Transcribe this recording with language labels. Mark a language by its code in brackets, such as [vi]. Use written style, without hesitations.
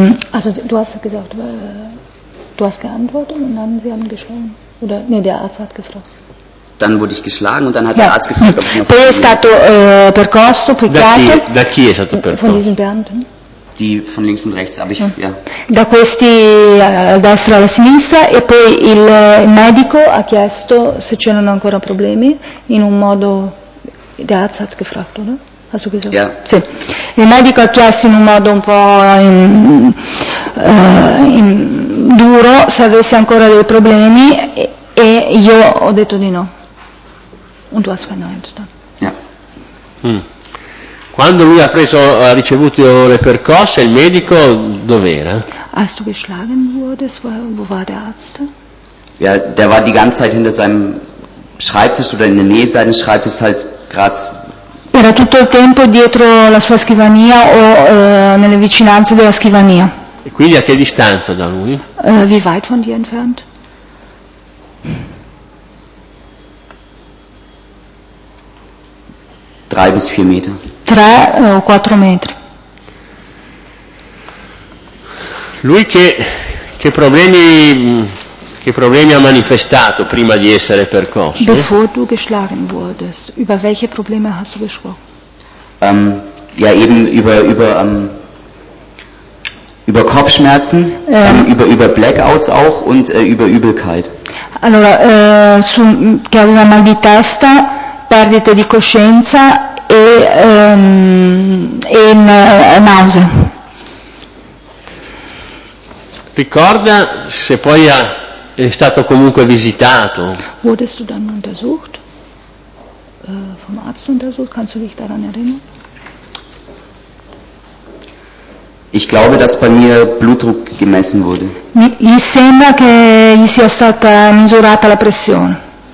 [de] Also du hast gesagt, du hast geantwortet und dann sie haben geschlagen. Oder nee, der Arzt hat gefragt. Dann wurde ich geschlagen und dann hat der Arzt gefragt, ob ich noch. [it] Poi è stato percosso, picchiato. Da chi è stato percosso? [de] Von diesen Beamten. Die von links und rechts, aber ich, ja. [it] Da questi destra alla sinistra e poi il medico ha chiesto se c'erano ancora problemi in un modo. [de] Der Arzt hat gefragt, oder? Hast du gesagt? Ja. [it] Sì. Il medico ha chiesto in un modo un po' in duro se avesse ancora dei problemi e io ho detto di no. [de] Und du hast verneint. Ja. [it] Quando lui ha ricevuto le percosse, il medico dov'era? [de] Als du geschlagen wurdest, wo war der Arzt? Ja, der war die ganze Zeit hinter seinem Schreibtisch oder in der Nähe seines Schreibtisch halt gerade. [it] Era tutto il tempo dietro la sua scrivania o nelle vicinanze della scrivania. E quindi a che distanza da lui? [de] Wie weit von dir entfernt? Drei bis vier Meter. [it] Tre o quattro metri. Lui che problemi che problemi ha manifestato prima di essere percosso? [de] Bevor du geschlagen wurdest, über welche Probleme hast du gesprochen? Ja, eben über Kopfschmerzen, über Blackouts auch und über Übelkeit. [it] Allora, che aveva mal di testa, perdite di coscienza e nausea. Ricorda se poi è stato comunque visitato. [de] Wurdest du dann untersucht? Vom Arzt untersucht? Kannst du dich daran erinnern? Ich glaube, dass bei mir Blutdruck gemessen wurde. [it] Mi sembra che gli sia stata misurata la pressione.